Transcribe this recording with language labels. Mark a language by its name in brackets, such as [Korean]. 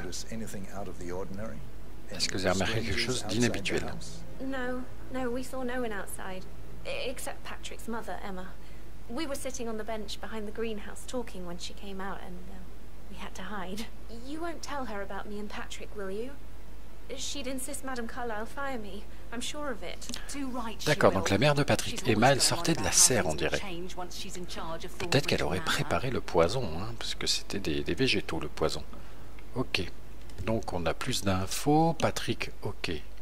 [French] Est-ce que vous avez remarqué quelque chose d'inhabituel? [English] No, we saw no one outside, except Patrick's mother, Emma. We were sitting on the bench behind the greenhouse talking when she came out, and we had to hide. You won't tell her about me and Patrick, will you? She'd insist Madame Carlyle fire me. I'm sure of it. [French] D'accord, donc la mère de Patrick, Emma, elle sortait de la serre, on dirait. Peut-être qu'elle aurait préparé le poison, hein, parce que c'était des végétaux, le poison. Ok. Donc, on a plus d'infos. Patrick, ok.